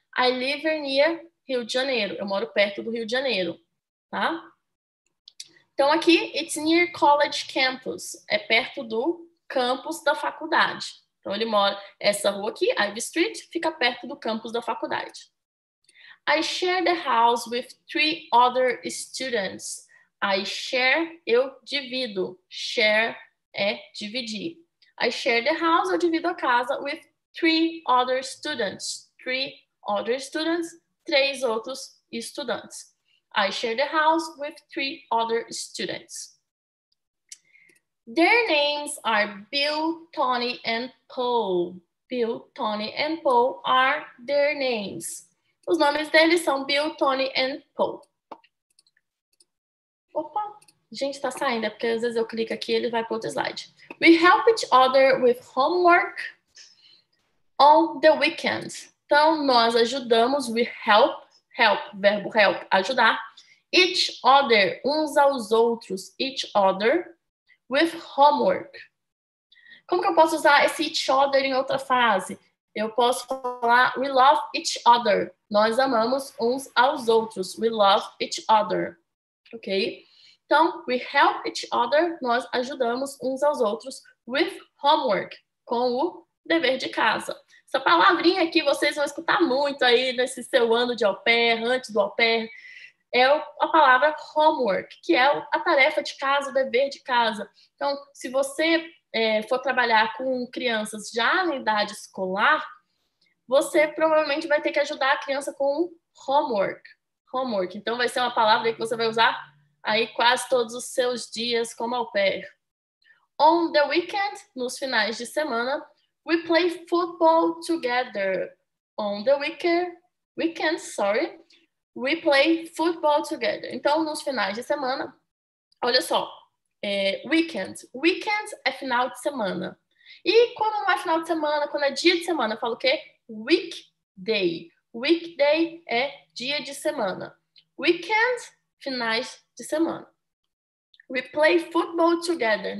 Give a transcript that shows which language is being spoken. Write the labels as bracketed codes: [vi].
[en] I live near Rio de Janeiro. [pt] Eu moro perto do Rio de Janeiro, tá? Então aqui, [en] it's near college campus. [pt] É perto do campus da faculdade. Então ele mora, essa rua aqui, Ivy Street, fica perto do campus da faculdade. [en] I share the house with three other students. I share, [pt] eu divido. Share é dividir. [en] I share the house, [pt] eu divido a casa, [en] with three other students. Three other students, [pt] três outros estudantes. [en] I share the house with three other students. Their names are Bill, Tony and Paul. Bill, Tony and Paul are their names. [pt] Os nomes deles são Bill, Tony and Paul. Opa, gente, tá saindo, é porque às vezes eu clico aqui e ele vai para outro slide. [en] We help each other with homework on the weekends. [pt] Então, nós ajudamos, [en] we help, help, [pt] verbo help, ajudar. [en] Each other, [pt] uns aos outros, [en] each other, with homework. [pt] Como que eu posso usar esse each other em outra frase? Eu posso falar, [en] we love each other. [pt] Nós amamos uns aos outros, we love each other. Ok? Então, [en] we help each other, [pt] nós ajudamos uns aos outros [en] with homework, [pt] com o dever de casa. Essa palavrinha aqui vocês vão escutar muito aí nesse seu ano de au pair, antes do au pair, é a palavra homework, que é a tarefa de casa, o dever de casa. Então, se você for trabalhar com crianças já na idade escolar, você provavelmente vai ter que ajudar a criança com homework. Homework. Então, vai ser uma palavra que você vai usar aí quase todos os seus dias como au pair. [en] On the weekend, [pt] nos finais de semana, [en] we play football together. On the weekend, sorry, we play football together. [pt] Então, nos finais de semana, olha só, weekend. Weekend é final de semana. E quando não é final de semana, quando é dia de semana, eu falo o quê? Weekday. Weekday é dia de semana. [en] Weekend, [pt] finais de semana. [en] We play football together.